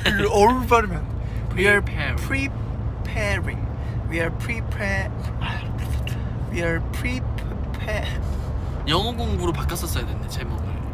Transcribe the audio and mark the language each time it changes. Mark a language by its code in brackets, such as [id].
[ko] 어울 발음이 안 돼. [en] We are preparing. We are preparing. We are preparing. [ko] 영어 공부로 바꿨었어야 됐네, 제목을.